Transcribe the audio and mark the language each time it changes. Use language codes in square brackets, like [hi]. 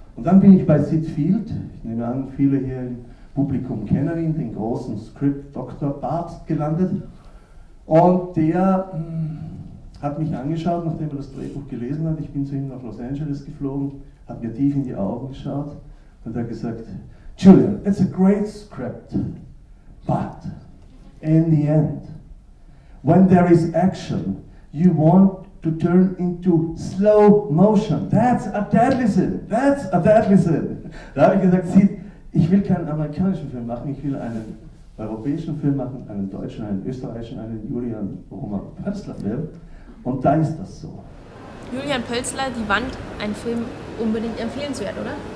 [de] Und dann bin ich bei Sid Field, ich nehme an, viele hier im Publikum kennen ihn, den großen Script Dr. Bart gelandet. Und der hat mich angeschaut, nachdem er das Drehbuch gelesen hat, ich bin zu ihm nach Los Angeles geflogen, hat mir tief in die Augen geschaut. Und er hat gesagt, [en] Julian, it's a great script, but in the end, when there is action, you want to turn into slow motion. That's a deadly sin. That's a deadly sin. [de] Da habe ich gesagt, sieh, ich will keinen amerikanischen Film machen, ich will einen europäischen Film machen, einen deutschen, einen österreichischen, einen Julian Roman Pölzler Film. Und da ist das so. Julian Pölzler, Die Wand, ein Film unbedingt empfehlenswert, oder?